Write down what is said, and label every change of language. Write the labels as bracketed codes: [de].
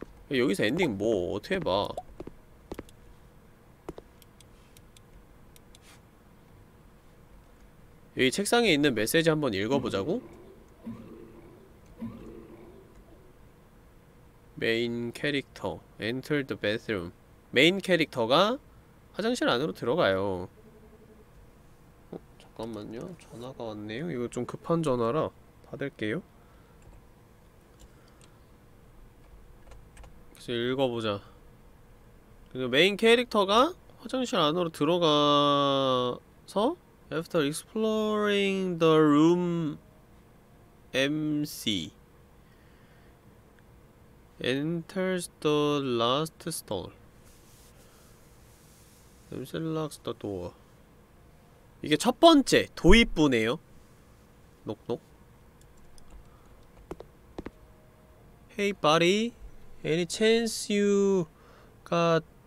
[ko] 여기서 엔딩 뭐 어떻게 봐. 여기 책상에 있는 메시지 한번 읽어보자고? 메인 캐릭터 [en] Enter the bathroom. [ko] 메인 캐릭터가 화장실 안으로 들어가요. 어? 잠깐만요. 전화가 왔네요. 이거 좀 급한 전화라 받을게요. 읽어보자. 그래서 메인 캐릭터가 화장실 안으로 들어가서 [en] After exploring the room MC enters the last stall. MC locks the door. [ko] 이게 첫 번째 도입부네요. [en] 녹녹. Hey buddy, any chance you got